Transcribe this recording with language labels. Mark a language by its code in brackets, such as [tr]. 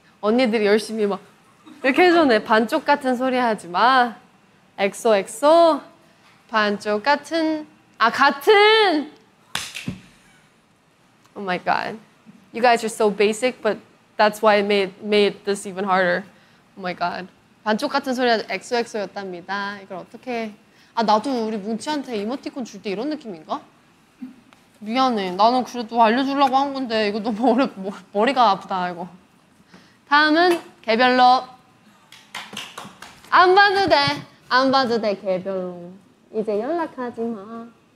[ko] 언니들이 열심히 막 이렇게 해줬네. 반쪽 같은 소리 하지 마. 엑소 엑소 반쪽 같은 아 같은 [en] Oh my god. You guys are so basic but that's why it made this even harder. Oh my god. [ko] 반쪽 같은 소리 하지 엑소 엑소였답니다. 이걸 어떻게 아 나도 우리 뭉치한테 이모티콘 줄 때 이런 느낌인가? 미안해. 나는 그래도 알려주려고 한 건데 이거 너무 머리가 아프다 이거. 다음은 개별로 안 봐도 돼 개별로 이제 연락하지 마